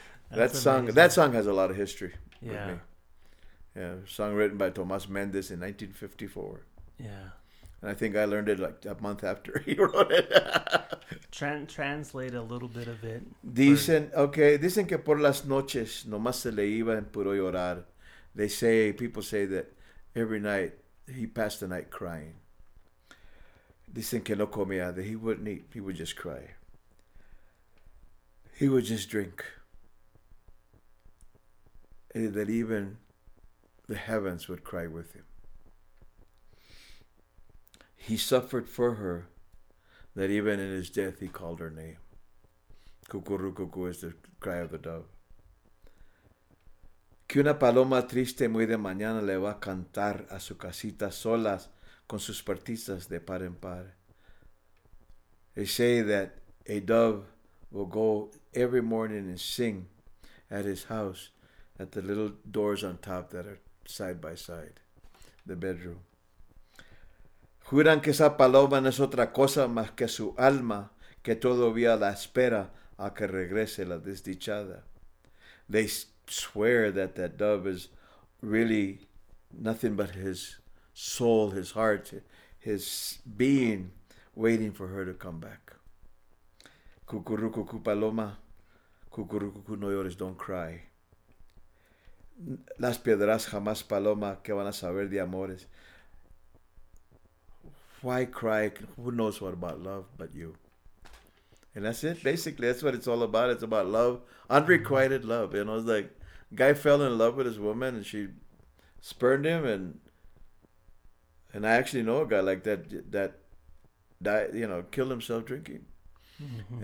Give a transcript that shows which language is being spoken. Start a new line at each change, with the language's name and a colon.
English: That song has a lot of history. Yeah. With me. Yeah. Song written by Tomas Mendez in 1954. Yeah. And I think I learned it like a month after he wrote it. Translate a little bit of it.
Spanish: Dicen que por las noches nomás se le iba en puro llorar.
English: People say that every night he passed the night crying.
Spanish: Dicen que no comía,
English: that he wouldn't eat. He would just cry. He would just drink. And that even the heavens would cry with him. He suffered for her, that even in his death he called her name. Cucurrucucú is the cry of the dove.
Spanish: Que una paloma triste muy de mañana le va a cantar a su casita solas con sus partizas de par en par.
English: They say that a dove will go every morning and sing at his house at the little doors on top that are side by side, the bedroom.
Spanish: Juran que esa paloma no es otra cosa más que su alma que todavía la espera a que regrese la desdichada.
English: They swear that that dove is really nothing but his soul, his heart, his being waiting for her to come back.
Spanish: Cucurrucucú paloma, cucurrucucú no llores,
English: don't cry.
Spanish: Las piedras jamás paloma que van a saber de amores.
English: Why cry? Who knows what about love but you? And that's it. Basically, that's what it's all about. It's about love, unrequited love. You know, it's like, guy fell in love with his woman and she spurned him. And I actually know a guy like that, that died, you know, killed himself drinking. Mm-hmm.